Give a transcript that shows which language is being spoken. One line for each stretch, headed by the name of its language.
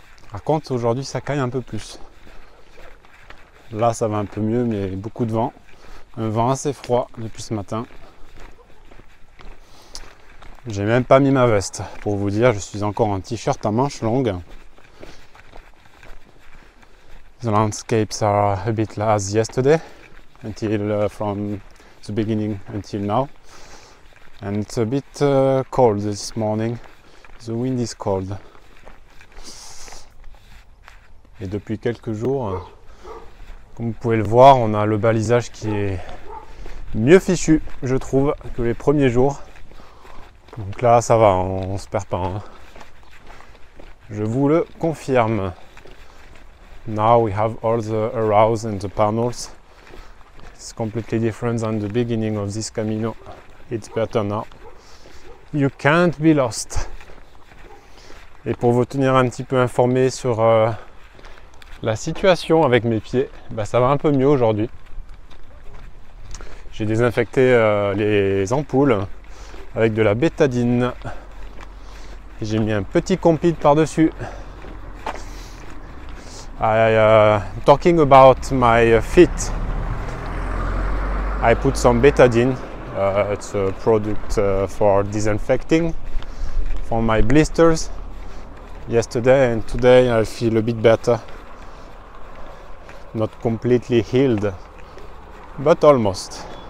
French: Par contre, aujourd'hui, ça caille un peu plus. Là, ça va un peu mieux, mais beaucoup de vent. Un vent assez froid depuis ce matin. J'ai même pas mis ma veste, pour vous dire, je suis encore en t-shirt à manches longues.
English: The landscapes are a bit as yesterday, until from the beginning until now. And it's a bit cold this morning. The wind is cold.
French: Et depuis quelques jours, comme vous pouvez le voir, on a le balisage qui est mieux fichu, je trouve, que les premiers jours. Donc là, ça va, on se perd pas. Hein. Je vous le confirme.
English: Now we have all the arrows and the panels. It's completely different than the beginning of this Camino. It's better now. You can't be lost.
French: Et pour vous tenir un petit peu informé sur la situation avec mes pieds, bah ça va un peu mieux aujourd'hui. J'ai désinfecté les ampoules avec de la bétadine. Et j'ai mis un petit compide par-dessus.
English: Talking about my feet, I put some betadine, it's a product for disinfecting, for my blisters, yesterday and today I feel a bit better, not completely healed, but almost.